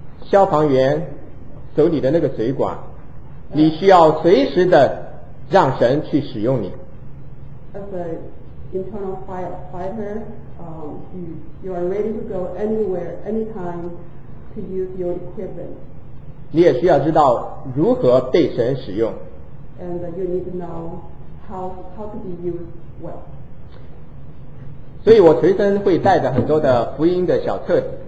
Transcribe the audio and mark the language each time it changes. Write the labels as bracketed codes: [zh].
[zh] 消防员手里的那个水管，你需要随时的让神去使用你。 [en] As an internal firefighter, you are ready to go anywhere, anytime to use your equipment. [zh] 你也需要知道如何被神使用。 [en] And you need to know how to be used well. [zh] 所以我随身会带着很多的福音的小册子。